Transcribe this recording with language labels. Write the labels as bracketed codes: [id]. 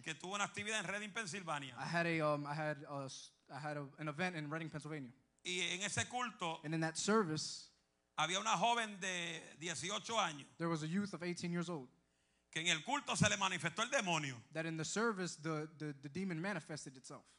[es] Que tuve una actividad en Reading, Pennsylvania. [en] I had an event in Reading, Pennsylvania. [es] Y en ese culto. [en] And in that service. [es] Había una joven de 18 años. [en] There was a youth of 18 years old. [es] Que en el culto se le manifestó el demonio. [en] That in the service the demon manifested itself.